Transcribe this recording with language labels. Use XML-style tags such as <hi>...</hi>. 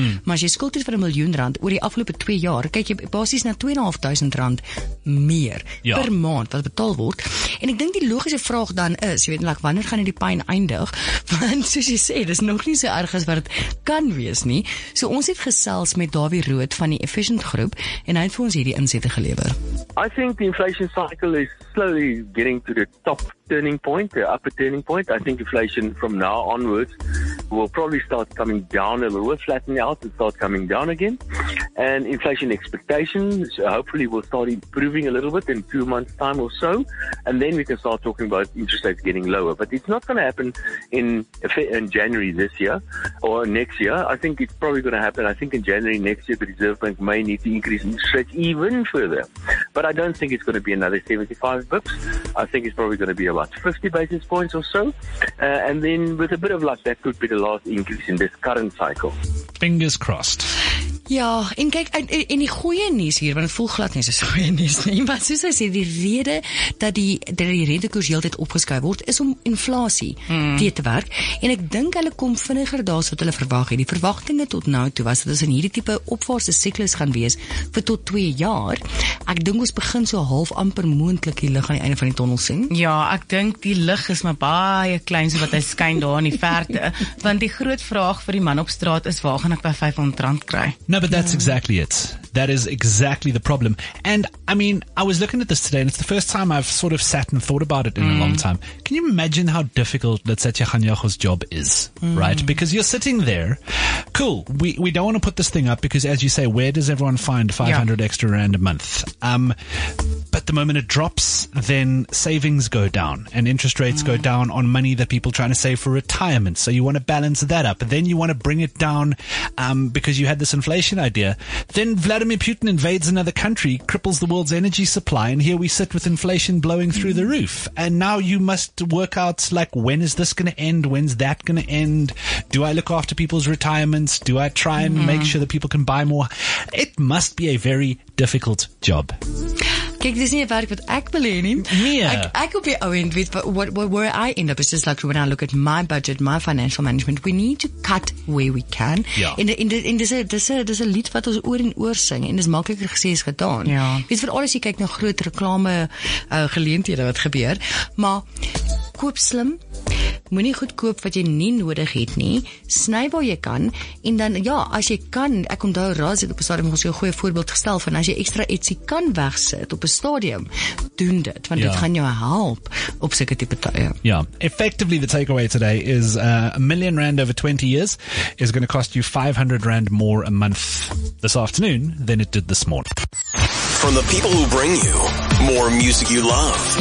<af>Maar as jy skuld het vir 1 miljoen rand, oor die afgelope 2 jaar, kyk jy basis na 2,500 rand meer per maand wat betaal word. En ek dink die logische vraag dan is, jy weet, like, wanneer gaan die pijn eindig? Want soos jy sê, dit is nog nie so erg as wat het kan wees nie. So ons het gesels met Davie Rood van die Efficient Groep en hy het vir ons hierdie insette gelever.</af> <en>I think the inflation cycle is slowly getting to the top turning point, the upper turning point. I think inflation from now onwards will probably start coming down a little, flatten out and start coming down again. And inflation expectations hopefully will start improving a little bit in 2 months' time or so. And then we can start talking about interest rates getting lower. But it's not going to happen in January this year or next year. I think it's probably going to happen. I think in January next year, the Reserve Bank may need to increase interest rates even further. But I don't think it's going to be another 75 bips. I think it's probably going to be about 50 basis points or so. And then with a bit of luck, that could be the last increase in this current cycle. Fingers crossed.</en> <af>Ja, en kyk, en die goeie nuus hier, want het voel glad nie, is goeie nuus nie, maar soos hy sê, die rede dat die rentekoers heeltyd opgeskuif word, is om inflasie teë te werk, en ek dink hulle kom vinniger daar so wat hulle verwag het. Die verwagtinge tot nou toe was, dat ons in hierdie type opwaartse siklus gaan wees, vir tot 2 jaar, ek dink ons begin so half amper moontlik die lig aan die einde van die tonnel sien. Ja, ek dink die lig is maar baie klein, so wat hy skyn daar in die verte, want die groot vraag vir die man op straat is, waar gaan ek by 500 rand kry?</af> <en>No, but that's exactly it. That is exactly the problem. And, I mean, I was looking at this today, and it's the first time I've sort of sat and thought about it in a long time. Can you imagine how difficult Letsetse Ganyogo's job is, right? Because you're sitting there. Cool, we don't want to put this thing up, because as you say, where does everyone find 500 extra rand a month? But the moment it drops, then savings go down, and interest rates go down on money that people are trying to save for retirement. So you want to balance that up. Then you want to bring it down because you had this inflation idea. Then Vladimir Putin invades another country, cripples the world's energy supply, and here we sit with inflation blowing through the roof. And now you must work out, like, when is this going to end? When's that going to end? Do I look after people's retirements? Do I try and make sure that people can buy more? It must be a very difficult job.</en> <af>Kijk, dit is nie 'n werk wat ek wil hê nie. Nee. Ek op die ou end weet</af> <en>where I end up is just like when I look at my budget, my financial management, we need to cut where we can.</en> <af>Dis 'n lied wat ons oor en oor sing en dis makliker gesê as gedaan. Ja. Weet vir alles jy kyk na groot reklame geleenthede wat gebeur, maar koop slim. Moenie goed koop wat jy nie nodig het nie. Sny waar jy kan en dan ja, as jy kan, ek onthou Raz het op 'n stadium ons 'n goeie voorbeeld gestel van as jy ekstra ietsie kan wegsit op 'n stadium, doen dit want dit gaan jou help op sulke tipe tye.</af> <en>Ja, effectively the takeaway today is R1 million over 20 years is going to cost you R500 more a month this afternoon than it did this morning. From the people who bring you more music you love.</en>